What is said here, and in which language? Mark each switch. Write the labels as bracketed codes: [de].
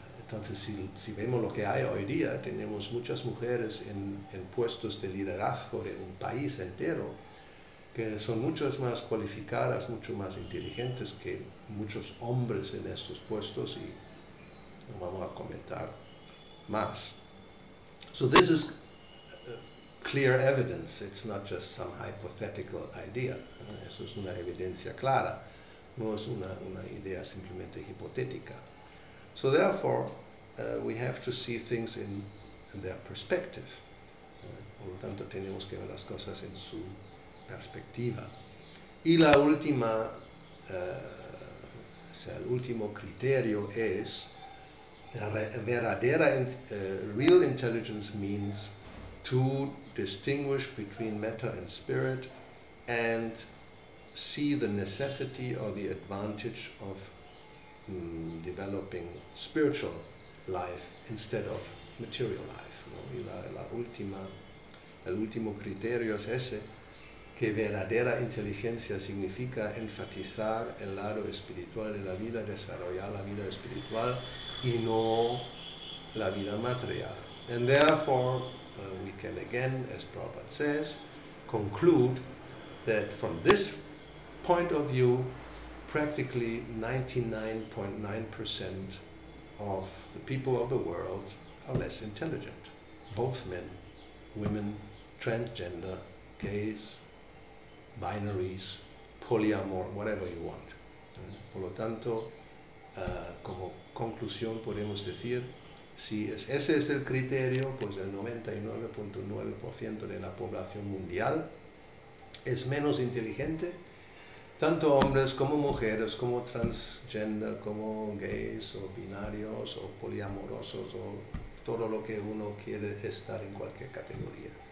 [es] Entonces, si vemos lo que hay hoy día, tenemos muchas mujeres en puestos de liderazgo de un país entero, que son mucho más cualificadas, mucho más inteligentes que muchos hombres en estos puestos, y no vamos a comentar más. [en] So this is clear evidence, it's not just some hypothetical idea. [es] Eso es una evidencia clara, no es una idea simplemente hipotética. [en] So therefore, we have to see things in their perspective. [es] Por lo tanto, tenemos que ver las cosas en su perspectiva. Y la última, el último criterio es verdadera, [en] real intelligence means to distinguish between matter and spirit and see the necessity or the advantage of developing spiritual life instead of material life. [es] ¿No? Y el último criterio es ese, que verdadera inteligencia significa enfatizar el lado espiritual de la vida, desarrollar la vida espiritual y no la vida material. [en] And therefore, we can again, as Prabhupada says, conclude that from this point of view, practically 99.9% of the people of the world are less intelligent. Both men, women, transgender, gays, binaries, polyamor, whatever you want. [es] Por lo tanto, como conclusión podemos decir, si ese es el criterio, pues el 99.9% de la población mundial es menos inteligente, tanto hombres como mujeres, como transgender, como gays, o binarios, o poliamorosos, o todo lo que uno quiere estar en cualquier categoría.